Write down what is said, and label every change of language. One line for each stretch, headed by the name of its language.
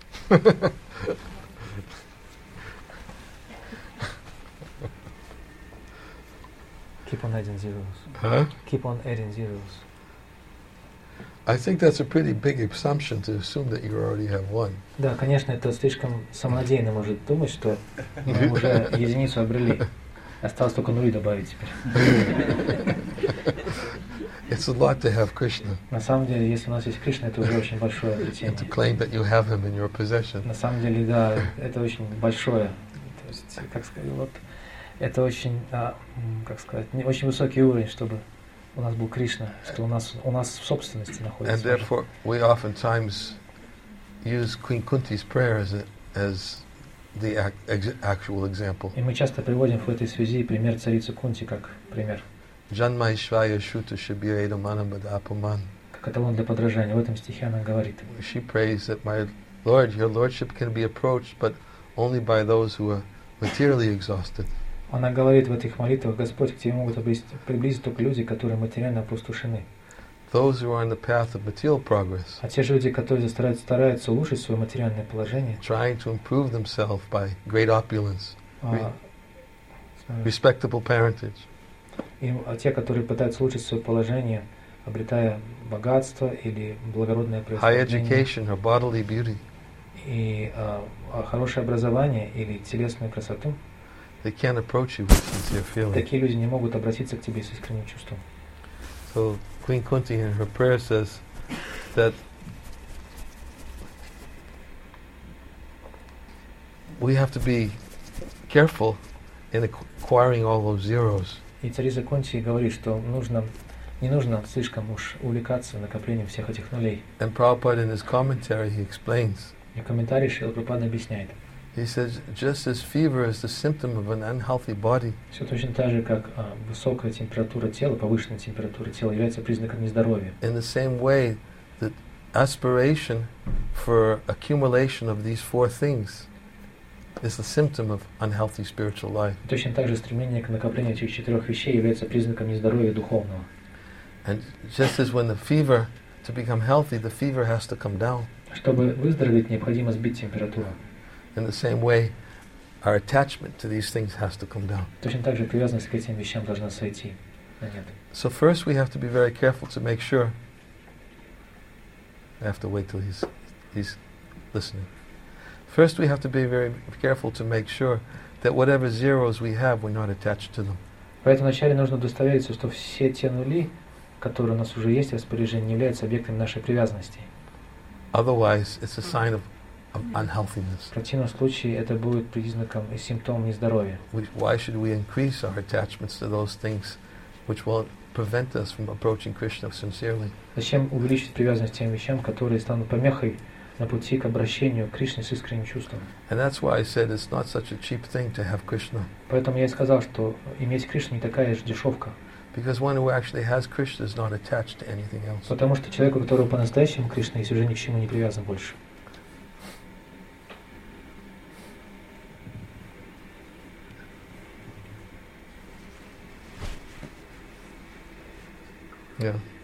English: Keep on adding zeros. Huh? Keep on adding zeros. I think that's a pretty big assumption to assume that you already have one.
Russian: Да, конечно, это слишком самонадеянно может думать, что мы уже единицу обрели. Осталось только нули добавить теперь.
English: It's a lot to have Krishna.
Russian: На самом деле, если у нас есть Кришна, это уже очень большое обретение.
English: And to claim that you have him in your possession.
Russian: На самом деле, да, это очень большое. То есть, как сказать, вот... Это очень, как сказать, не очень высокий уровень, чтобы у нас был Кришна, что у нас в собственности находится.
English: And therefore, we oftentimes use Queen Kunti's prayer as the actual example.
Russian: И мы часто приводим в этой связи пример царицы Кунти как пример.
Sanskrit: Janmaishvaya shuta shibiredo manamada apuman.
Russian: Как эталон для подражания. В этом стихе она говорит.
English: She prays that my Lord, your lordship can be approached, but only by those who are materially exhausted.
Russian: Она говорит в этих молитвах, Господь, к Тебе могут приблизиться только люди, которые материально опустошены.
English: Those who are on the path of material progress,
Russian: а те же люди, которые стараются улучшить свое материальное положение,
English: trying to improve themselves by great opulence, respectable parentage.
Russian: А те, которые пытаются улучшить свое положение, обретая богатство или благородное происхождение,
English: high education or bodily beauty.
Russian: И хорошее образование или телесную красоту,
English: they can't approach you with sincere feeling.
Russian: Такие люди не могут обратиться к тебе с искренним чувством.
English: So Queen Kunti in her prayer says that we have to be careful in acquiring all those zeros.
Russian: И Цариза Кунти говорит, что не нужно слишком уж увлекаться накоплением всех этих нулей.
English: And Prabhupada in his commentary he explains.
Russian: И комментарий Шрила Прабхупада объясняет.
English: He says, just as fever is the symptom of an unhealthy body,
Russian: все точно так же, как высокая температура тела, повышенная температура тела является признаком нездоровья.
English: In the same way, the aspiration for accumulation of these four things is the symptom of unhealthy spiritual life.
Russian: Точно так же стремление к накоплению этих четырех вещей является признаком нездоровья духовного.
English: And just as when the fever, to become healthy, the fever has to come down.
Russian: Чтобы выздороветь, необходимо сбить температуру.
English: In the same way, our attachment to these things has to come down.
Russian: Точно так же привязанность к этим вещам должна сойти.
English: So first we have to be very careful to make sure. I have to wait till he's listening. First we have to be very careful to make sure that whatever zeros we have, we're not attached to them.
Russian: Поэтому вначале нужно удостовериться, что все те нули, которые у нас уже есть в распоряжении, не являются объектами нашей привязанности.
English: Otherwise, it's a sign of unhealthiness.
Russian: В противном случае это будет признаком и симптомом нездоровья.
English: Why should we increase our attachments to those things which will prevent us from approaching Krishna sincerely?
Russian: Зачем увеличить привязанность к тем вещам, которые станут помехой на пути к обращению к Кришне с искренним чувством.
English: And that's why I said it's not such a cheap thing to have Krishna.
Russian: Поэтому я и сказал, что иметь Кришну не такая же дешевка.
English: Because one who actually has Krishna is not attached to anything else.
Russian: Потому что человек, у которого по-настоящему Кришна, есть уже ни к чему не привязан больше.
English: Yeah.